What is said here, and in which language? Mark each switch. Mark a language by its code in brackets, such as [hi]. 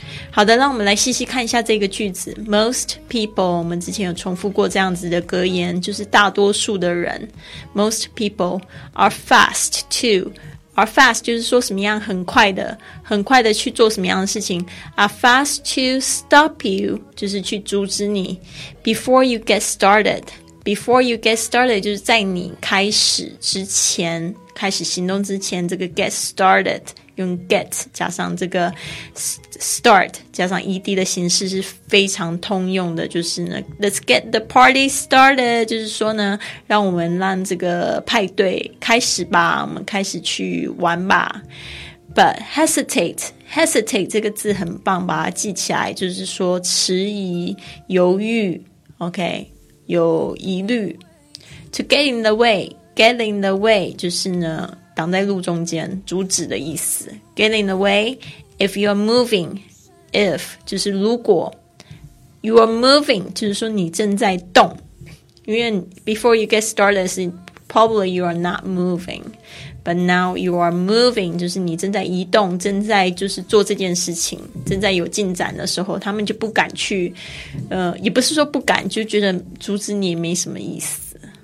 [zh] 好的，让我们来细细看一下这个句子。 [en] Most people， [zh] 我们之前有重复过这样子的格言，就是大多数的人。 [en] Most people are fast [zh] to， are fast 就是说什么样很快的，很快的去做什么样的事情。 [en] Are fast to stop you [zh] 就是去阻止你。 [en] Before you get started， [zh] Before you get started 就是在你开始之前，开始行动之前，这个 get started 用 get 加上这个 start 加上 ed 的形式是非常通用的，就是呢 [en] Let's get the party started， [zh] 就是说呢让我们让这个派对开始吧，我们开始去玩吧。 [en] But hesitate [zh] 这个字很棒，把它记起来，就是说迟疑犹豫， OK， 有疑虑。 [en] To get in the way， get in the way [zh] 就是呢挡在路中间，阻止的意思。 [en] get in the way if you are moving， [zh] if 就是如果， [en] you are moving [zh] 就是说你正在动，因为 [en] before you get started probably you are not movingBut now you are moving， [zh] 就是你正在移动，正在就是做这件事情，正在有进展的时候，他们就不敢去，也不是说不敢，就觉得阻止你也没什么意思。